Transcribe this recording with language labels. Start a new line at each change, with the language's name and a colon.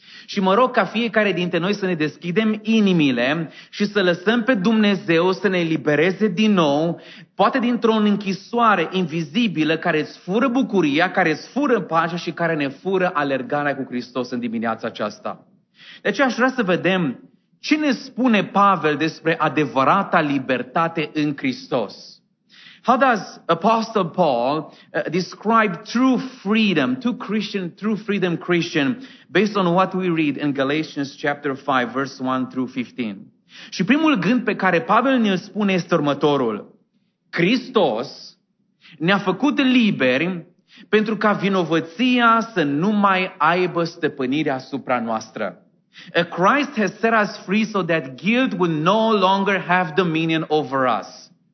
Romanian: Și mă rog ca fiecare dintre noi să ne deschidem inimile și să lăsăm pe Dumnezeu să ne elibereze din nou, poate dintr-o închisoare invizibilă care îți fură bucuria, care îți fură pacea și care ne fură alergarea cu Hristos în dimineața aceasta. Deci aș vrea să vedem ce ne spune Pavel despre adevărata libertate în Hristos.
English: How does Apostle Paul describe true freedom to Christian, true freedom Christian, based on what we read in Galatians chapter 5, verse 1 through 15?
Romanian: Și primul gând pe care Pavel ne-l spune este următorul. Hristos ne-a făcut liberi pentru ca vinovăția să nu mai aibă stăpânirea asupra noastră.
English: Christ has set us free so that guilt will no longer have dominion over us.